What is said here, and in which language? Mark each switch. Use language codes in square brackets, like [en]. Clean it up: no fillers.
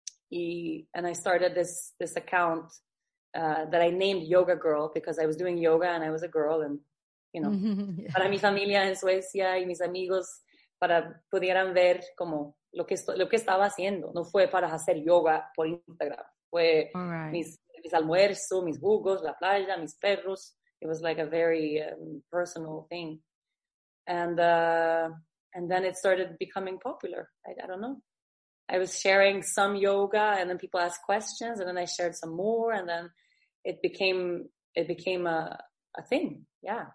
[en] And I started this account that I named Yoga Girl because I was doing yoga and I was a girl and, you know, yeah. [es] Para mi familia en Suecia y mis amigos, para pudieran ver como lo que estaba haciendo. No fue para hacer yoga por Instagram. Fue right. mis almuerzos, mis jugos, la playa, mis perros. [en] It was like a very personal thing. And then it started becoming popular. I don't know. I was sharing some yoga and then people asked questions and then I shared some more and then it became a thing, yeah.